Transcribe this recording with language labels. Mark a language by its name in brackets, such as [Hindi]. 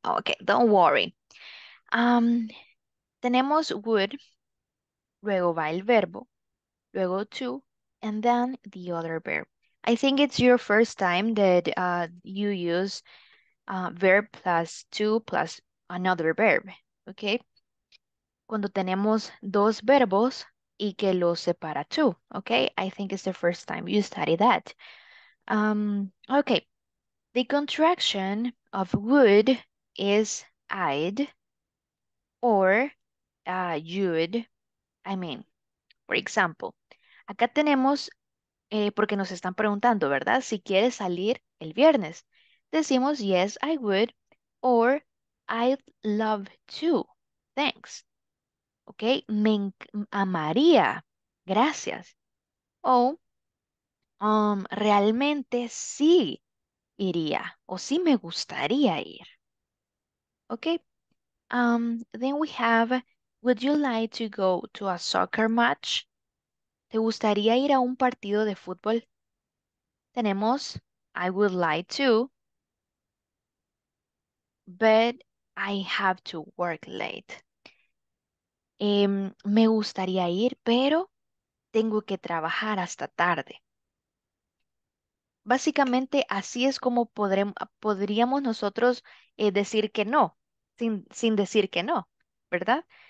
[English] Okay, don't worry. [Spanish] Tenemos [English] would, [Spanish] luego va el verbo, luego [English] to, and then the other verb. I think it's your first time that you use verb plus to plus another verb, okay? [Spanish] Cuando tenemos dos verbos y que los separa to, okay? [English] I think it's the first time you study that. Okay, the contraction of would is I'd or you'd, I mean, for example. [Spanish] Acá tenemos, porque nos están preguntando, ¿verdad? Si quieres salir el viernes. Decimos, [English] yes, I would, or I'd love to, thanks. [Spanish] Ok, me amaría, gracias. O, realmente sí iría, o sí me gustaría ir. [English] Ok, then we have, would you like to go to a soccer match? [Spanish] ¿Te gustaría ir a un partido de fútbol? Tenemos, [English] I would like to, but I have to work late. [Spanish] Me gustaría ir, pero tengo que trabajar hasta tarde. Básicamente, así es como podríamos nosotros decir que no, sin decir que no, ¿verdad?